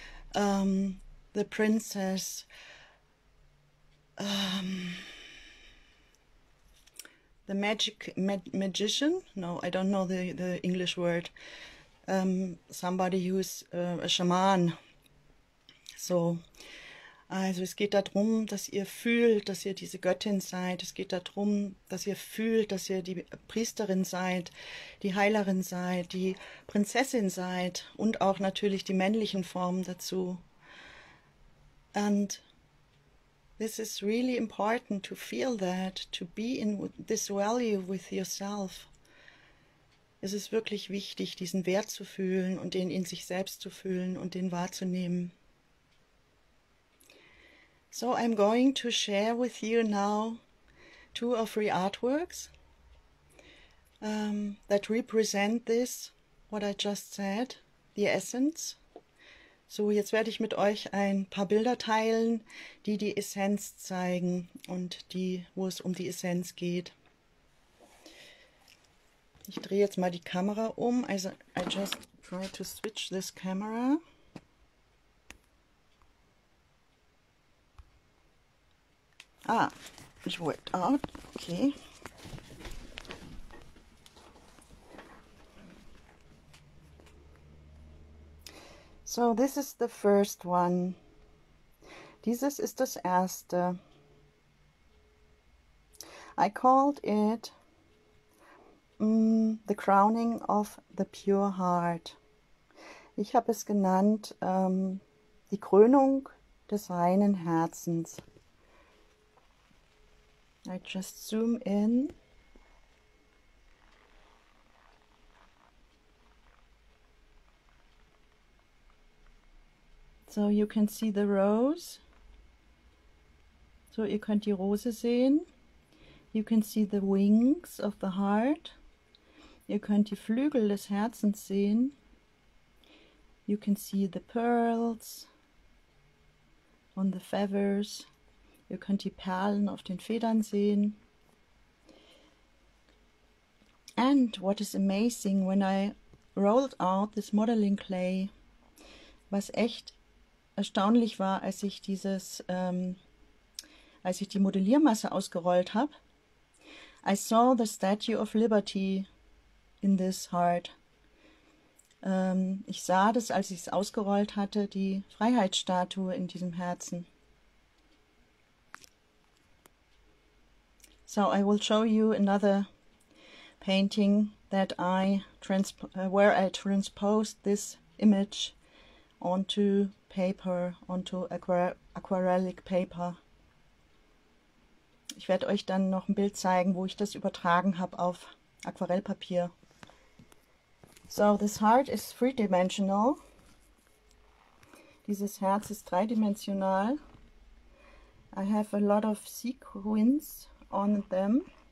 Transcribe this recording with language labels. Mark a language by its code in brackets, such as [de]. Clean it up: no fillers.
[en] The princess, the magician, no, I don't know the English word, somebody who's a shaman. [de] So, also es geht darum, dass ihr fühlt, dass ihr diese Göttin seid. Es geht darum, dass ihr fühlt, dass ihr die Priesterin seid, die Heilerin seid, die Prinzessin seid und auch natürlich die männlichen Formen dazu. [en] And this is really important to feel that, to be in this value with yourself. [de] Es ist wirklich wichtig, diesen Wert zu fühlen und den in sich selbst zu fühlen und den wahrzunehmen. [en] So I'm going to share with you now two or three artworks that represent this, what I just said, the essence. [de] So, jetzt werde ich mit euch ein paar Bilder teilen, die die Essenz zeigen und die, wo es um die Essenz geht. Ich drehe jetzt mal die Kamera um. [en] Also, I just try to switch this camera. Ah, it worked out. Okay. So, this is the first one. [de] Dieses ist das erste. [en] I called it the crowning of the pure heart. [de] Ich habe es genannt die Krönung des reinen Herzens. [en] I just zoom in. So you can see the rose. [de] So ihr könnt die Rose sehen. [en] You can see the wings of the heart. [de] Ihr könnt die Flügel des Herzens sehen. [en] You can see the pearls on the feathers. [de] Ihr könnt die Perlen auf den Federn sehen. [en] And what is amazing, when I rolled out this modeling clay, [de] was echt erstaunlich war, als ich die Modelliermasse ausgerollt habe. [en] I saw the Statue of Liberty in this heart. [de] Ich sah das, als ich es ausgerollt hatte, die Freiheitsstatue in diesem Herzen. [en] So, I will show you another painting that I where I transposed this image onto paper, onto aquarellic paper. [de] Ich werde euch dann noch ein Bild zeigen, wo ich das übertragen habe auf Aquarellpapier. [en] So, this heart is three-dimensional. [de] Dieses Herz ist dreidimensional. [en] I have a lot of sequins on them.